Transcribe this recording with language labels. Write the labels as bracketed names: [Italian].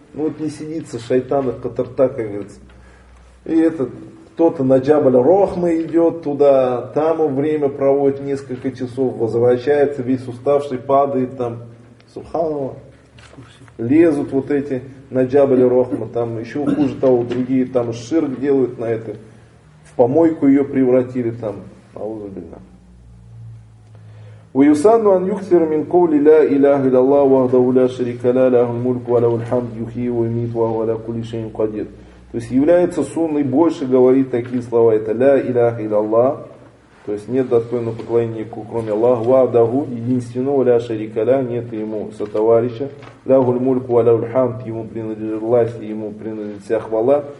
[Russian] Ну вот не сидится шайтан, катарта, как говорится. И этот, кто-то на Джабаль-Рохма идет туда, там время проводит несколько часов, возвращается весь уставший, падает там. Субханава. Лезут вот эти на Джабаль-Рохма, там еще хуже того, другие там ширк делают на это. В помойку ее превратили там. Аузабильна. [Arabic] ويصان أن يكثر من قول لا إله إلا الله وحده لا شريك له له الملك وله الحمد يحيي ويميت وهو على كل شيء قدير. [Russian] То есть является сунной больше говорить такие слова. Это [Arabic] ла илях илляллах. [Russian] То есть нет достойного поклонения, кроме Аллаха. Вахдаху, единственного, [Arabic] ля шарика ля, [Russian] нет ему сотоварища. [Arabic] Ляху льмульку, ляху льхамд, [Russian] ему принадлежит власть, ему принадлежит вся хвала.